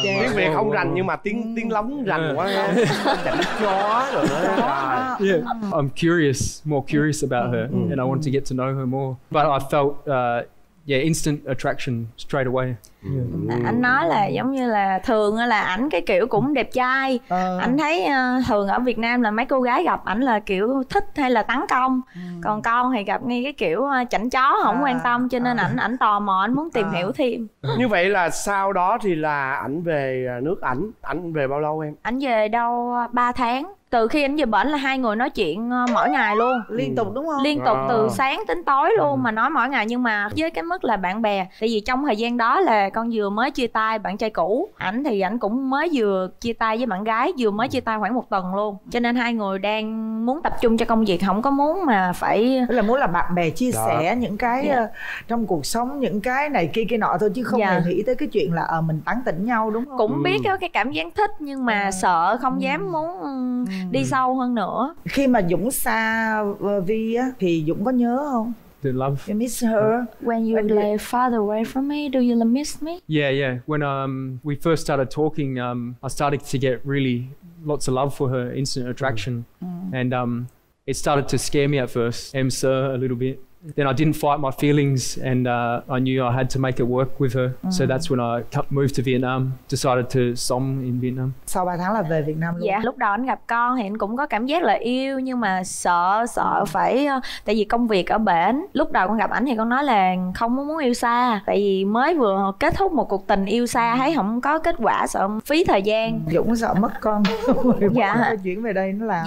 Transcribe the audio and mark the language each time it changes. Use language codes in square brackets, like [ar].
[vi] Tiếng Việt không rành nhưng mà tiếng lóng rành quá. Chó rồi. Yeah. [en] I'm more curious about her and I want to get to know her more, but I felt instant attraction straight away. [vi] Anh nói là giống như là thường là ảnh cái kiểu cũng đẹp trai. Anh thấy thường ở Việt Nam là mấy cô gái gặp ảnh là kiểu thích hay là tấn công. Còn con thì gặp ngay cái kiểu chảnh chó không quan tâm, cho nên ảnh tò mò, ảnh muốn tìm hiểu thêm. Như vậy là sau đó thì là ảnh về nước ảnh. Ảnh về bao lâu em? Ảnh về đâu 3 tháng. Từ khi ảnh về bển là hai người nói chuyện mỗi ngày luôn. Liên tục đúng không? Liên tục từ sáng tới tối luôn mà nói mỗi ngày. Nhưng mà với cái mức là bạn bè. Tại vì trong thời gian đó là con vừa mới chia tay bạn trai cũ. Ảnh thì ảnh cũng mới vừa chia tay với bạn gái. Vừa mới chia tay khoảng một tuần luôn. Cho nên hai người đang muốn tập trung cho công việc. Không có muốn mà phải... Tức là muốn là bạn bè chia sẻ những cái trong cuộc sống. Những cái này kia kia nọ thôi. Chứ không hề nghĩ tới cái chuyện là mình tán tỉnh nhau đúng không? Cũng biết cái cảm giác thích. Nhưng mà sợ không dám muốn... đi sâu hơn nữa. Khi mà Dũng xa Vi á thì Dũng có nhớ không? [en] Do you love? You miss her? When you were farther away from me, do you miss me? Yeah, yeah. When we first started talking, I started to get really lots of love for her, instant attraction. And it started to scare me at first. [vi] Em sợ [en] a little bit. then I didn't fight my feelings, and I knew I had to make it work with her. Mm. So that's when I moved to Vietnam, decided to [vi] sống [en] in Vietnam. [vi] Sau 3 tháng là về Việt Nam luôn. Dạ, lúc đầu anh gặp con thì anh cũng có cảm giác là yêu, nhưng mà sợ phải, tại vì công việc ở bển. Lúc đầu con gặp ảnh thì con nói là không muốn yêu xa, tại vì mới vừa kết thúc một cuộc tình yêu xa, thấy không có kết quả, sợ phí thời gian. Dũng sợ mất con. Dạ. Chuyển về đây nó làm.